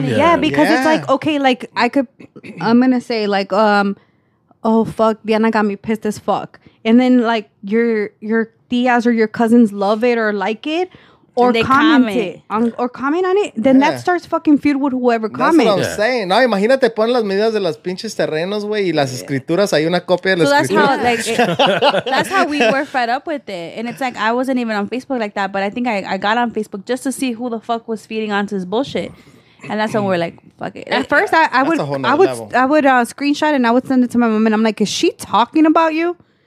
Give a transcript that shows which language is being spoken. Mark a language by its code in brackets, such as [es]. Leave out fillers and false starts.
[en] Yeah, because it's like, okay, like I'm going to say like, oh, fuck, Diana got me pissed as fuck. And then like your tías or your cousins love it or like it or comment on it. Then that starts fucking feud with whoever comments. That's what I'm saying. [es] No, imagínate, ponen las medidas de los pinches terrenos, güey, y las escrituras, hay una copia de las escrituras. [en] So that's how we were fed up with it. And it's like, I wasn't even on Facebook like that, but I think I got on Facebook just to see who the fuck was feeding onto this bullshit. And that's when we're like, fuck it. At first, I would screenshot and I would send it to my mom and I'm like, is she talking about you?